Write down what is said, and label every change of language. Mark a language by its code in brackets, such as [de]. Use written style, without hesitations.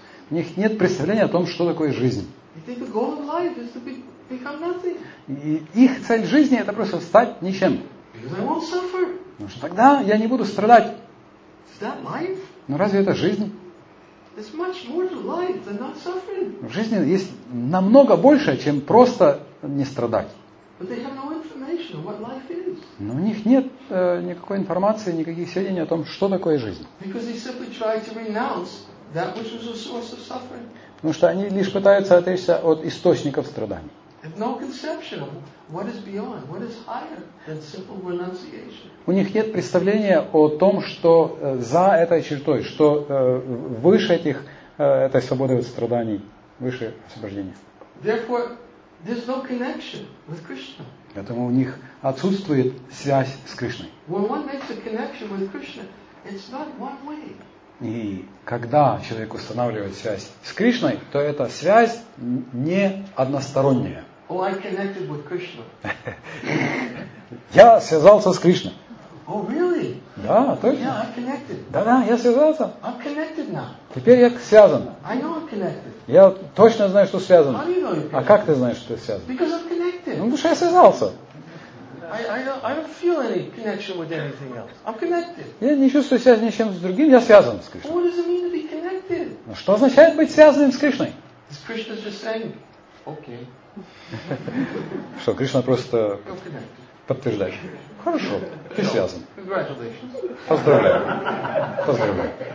[ru] У них нет представления о том, что такое жизнь. И их цель жизни – это просто стать ничем. Потому что тогда я не буду страдать. Но разве это жизнь? [en] It's much more to life than not suffering. [ru] В жизни есть намного больше, чем просто не страдать. [en] But they have no information of what life is. [ru] Но у них нет никакой информации, никаких сведений о том, что такое жизнь. [en] Because they simply try to renounce that which was a source of suffering. [ru] Потому что они лишь пытаются отречься от источников страданий. [en] They have no conception of what is beyond, what is higher than simple renunciation. [ru] У них нет представления о том, что за этой чертой, что выше этих, этой свободы от страданий, выше освобождения. [en] Therefore, there's no connection with Krishna. [ru] Поэтому у них отсутствует связь с Кришной. [en] When one makes a connection with Krishna, it's not one way. [ru] И когда человек устанавливает связь с Кришной, то эта связь не односторонняя. [en] Oh, I connected with Krishna. [ru] Я связался с Кришной. [en] Oh, really? [ru] Да, точно. [en] Yeah, I connected. [ru] Да, я связался. [en] I'm connected now. [ru] Теперь я связан. [en] I know I'm connected. [ru] Я точно знаю, что связан. [en] How do you know you're connected? [ru] А как ты знаешь, что ты связан? [en] Because I'm connected. [ru] Ну, потому что я связался. [en] I don't feel any connection with anything else. I'm connected. [ru] Я не чувствую связи ни с чем с другим, я связан с Кришной. [en] What does it mean to be connected? [ru] Ну, что означает быть связанным с Кришной? [en] Is Krishna just saying, okay. [ru] Что, Кришна просто подтверждать. Хорошо, ты связан. [en] Congratulations. [ru] Поздравляю. Поздравляю.